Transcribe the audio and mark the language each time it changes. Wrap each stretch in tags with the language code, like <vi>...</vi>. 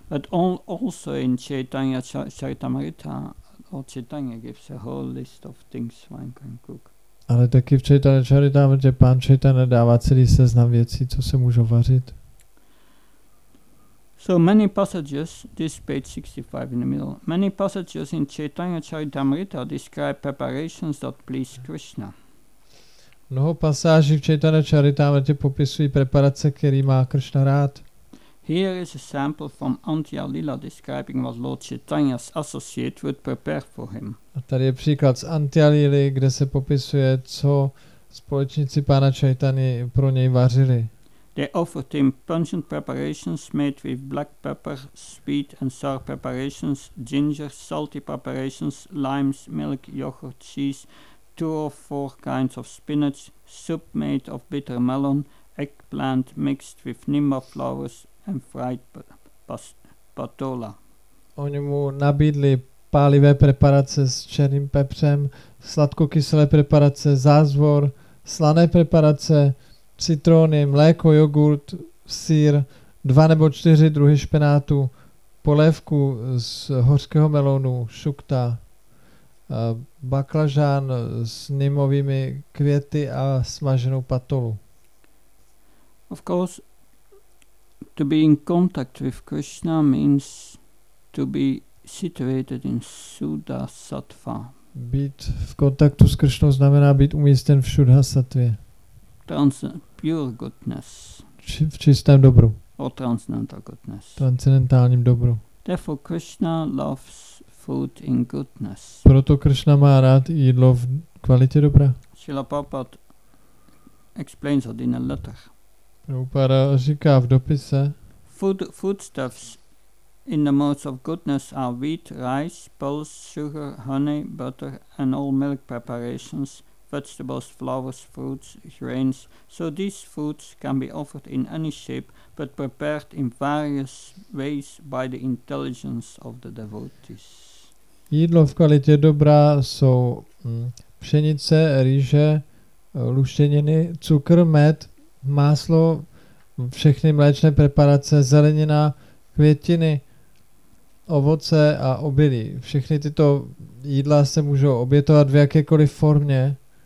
<en>But all, also in Chaitanya Charitamrita, or Chaitanya gives a whole list of things one can cook.</en> <cs>Ale taky v Chaitanya Charitamrita, pán Chaitanya dává celý seznam věcí, co se můžou vařit.</cs> <en>So many passages, this page 65 in the middle, many passages in Chaitanya Charitamrita describe preparations that please Krishna.</en> <cs>Mnoho pasáží v Chaitanya Charitamrita popisují preparace, které má Krishna rád.</cs> <en>Here is a sample from Antya Lila describing what Lord Chaitanya's associate would prepare for him.</en> <cs>A tady je příklad z Antya Lily, kde se popisuje, co společníci pána Chaitany pro něj vařili.</cs> <en>They offered him pungent preparations made with black pepper, sweet and sour preparations, ginger, salty preparations, limes, milk, yogurt, cheese, two or four kinds of spinach, soup made of bitter melon, eggplant mixed with nimba flowers and fried patola.</en> <cs>Oni mu nabídli pálivé preparace s černým pepřem, sladkokyselé preparace, zázvor, slané preparace, citrony, mléko, jogurt, sýr, dva nebo čtyři druhy špenátu, polévku z hořkého melounu, šukta, baklažán s nimovými květy a smaženou patolu.</cs> <en>Of course, to be in contact with Krishna means to be situated in Shuddha Sattva.</en> <cs>Být v kontaktu s Krishnou znamená být umístěn v Shuddha Sattvě.</cs> <en>Pure goodness.</en> <cs>V čistém dobru.</cs> <en>Or transcendental goodness.</en> <cs>Transcendentálním dobru.</cs> <en>Therefore Krishna loves food in goodness.</en> <cs>Proto Krishna má rád jídlo v kvalitě dobra.</cs> <en>Srila Prabhupada explains it in a letter.</en> <cs>Prabhupada říká v dopise.</cs> <en>Foodstuffs in the modes of goodness are wheat, rice, pulse, sugar, honey, butter and all milk preparations. Vegetables, flowers, fruits, grains. So these foods can be offered in any shape, but prepared in various ways by the intelligence of the devotees.</en> <cs>Jídlo v kvalitě dobrá jsou pšenice, rýže, luštěniny, cukr, med, máslo, všechny mléčné preparace, zelenina, květiny, ovoce a obilí. Všechny tyto jídla se můžou obětovat v jakékoliv formě.</cs>